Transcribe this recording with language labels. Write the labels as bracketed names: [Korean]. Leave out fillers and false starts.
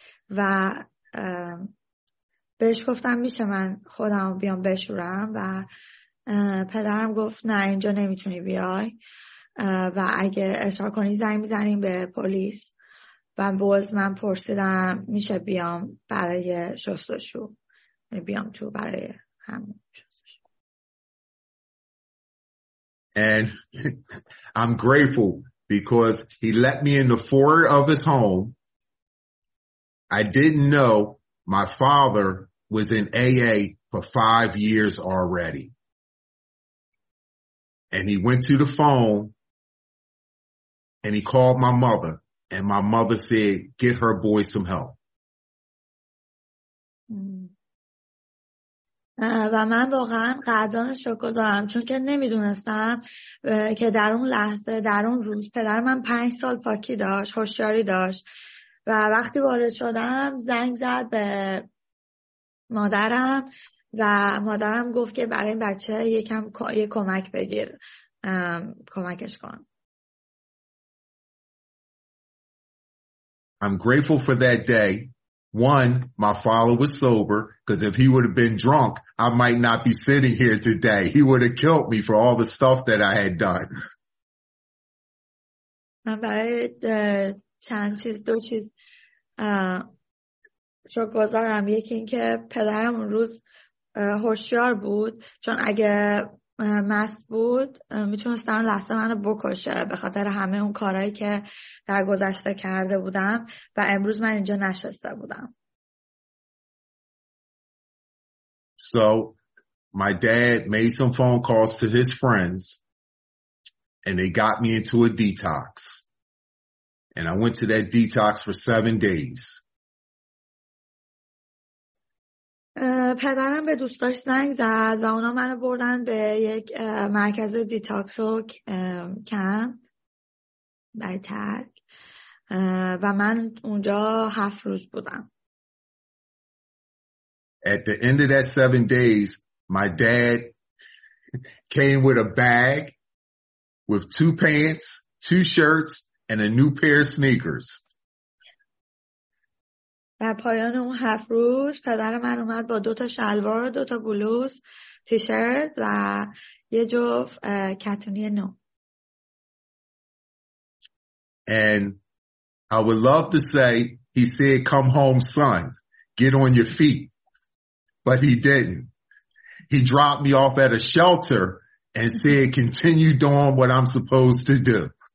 [Persian] و بهش گفتم میشه من خودم بیام بشورم و پدرم گفت نه اینجا نمیتونی بیای و اگه اصرار کنی زنگ میزنیم به پلیس و باز من پرسیدم میشه بیام برای شستشو بیام تو برای همون شستشو. [English] And I'm grateful because he let me in the foyer of his home. I didn't know my father was in AA for 5 years already. And he went to the phone and he called my mother and my mother said, get her boy some help. [Persian] و من واقعا قدردان شکرگزارم چون که نمیدونستم که در اون لحظه در اون روز پدر من 5 سال پاکی داشت، هوشیاری داشت و وقتی وارد شدم زنگ زد به مادرم و مادرم گفت که برای این بچه یکم یه کمک بگیر کمکش کن. [English] I'm grateful for that day. One, my father was sober, because if he would have been drunk, I might not be sitting here today. He would have killed me for all the stuff that I had done. [Persian] من برای چند چیز دو چیز شکرگزارم. یکی این که پدرم اون روز هوشیار بود چون اگه مست بود میتونستن لحظه منو بکشه به خاطر همه اون کارهایی که در گذشته کرده بودم و امروز من اینجا نشسته بودم. [English] So my dad made some phone calls to his friends and they got me into a detox. And I went to that detox for 7 days. [Persian] پدرم به دوستاش زنگ زد و اونا منو بردن به یک مرکز دیتاکس و کمپ برای ترک و من اونجا 7 روز بودم. [English] At the end of that 7 days, my dad came with a bag with 2 pants, 2 shirts, and a new pair of sneakers. [Persian] در پایان اون 7 روز پدر من اومد با 2 تا شلوار، 2 تا بلوز، تیشرت و یه جفت کتونی نو. [English] And I would love to say he said come home son, get on your feet. But he didn't. He dropped me off at a shelter and said continue doing what I'm supposed to do.